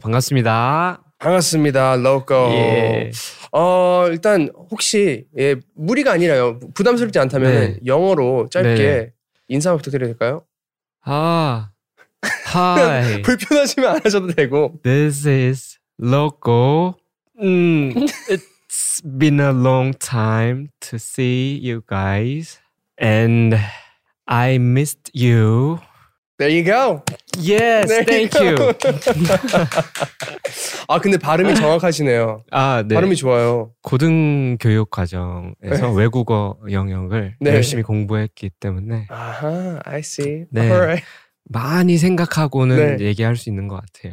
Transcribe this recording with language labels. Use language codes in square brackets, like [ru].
[ko] 반갑습니다. 반갑습니다, 로꼬. 예. 일단 혹시 예, 무리가 아니라요. 부담스럽지 않다면 네. 영어로 짧게 네. 인사 부탁드려도 될까요? [en] 아, hi. [ko] 불편하시면 안 하셔도 되고. [en] This is Loco. It's been a long time to see you guys, and I missed you. There you go. Yes, there thank you. [ko] 아, 근데 발음이 정확하시네요. 아, 네. 발음이 좋아요. 고등 교육 과정에서 외국어 영역을 네. 열심히 공부했기 때문에. [en] 아하, I see. [ko] 네. [en] All right. [ko] 많이 생각하고는 네. 얘기할 수 있는 것 같아요.